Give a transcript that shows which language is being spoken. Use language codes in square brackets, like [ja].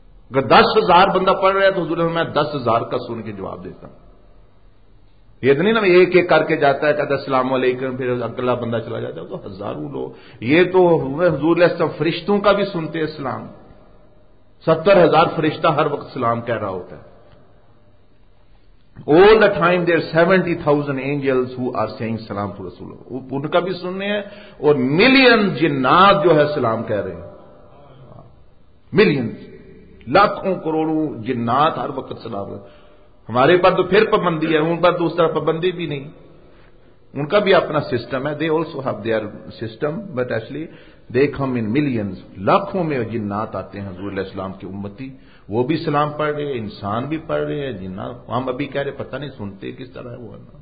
[ur] اگر 10,000 بندہ پڑھ رہا ہے تو حضور علیہ السلام میں 10,000 کا سن کے جواب دیتا ہوں. یہ تو نہیں نا ایک ایک کر کے جاتا ہے کہتا السلام علیکم پھر اگلا بندہ چلا جاتا ہے, تو ہزاروں لوگ. یہ تو حضور علیہ السلام فرشتوں کا بھی سنتے اسلام, 70,000 فرشتہ ہر وقت سلام کہہ رہا ہوتا ہے. [en] All the time there are 70,000 angels who are saying salam to Rasulullah. [ur] ان کا بھی سننے ہیں اور ملین جنات جو ہے سلام کہہ رہے ہیں, ملین لاکھوں کروڑوں جنات ہر وقت سلام کہہ رہے ہیں. ہمارے پر تو پھر پابندی ہے, ان پر تو اس طرح پابندی بھی نہیں. ان کا بھی اپنا سسٹم ہے, [en] they also have their system, but actually they come in millions, [ur] لاکھوں میں جنات آتے ہیں حضور علیہ السلام کی امتی, وہ بھی سلام پڑھ رہے ہیں, انسان بھی پڑھ رہے ہیں, جنات ہم ابھی کہہ رہے پتہ نہیں سنتے کس طرح ہے وہ.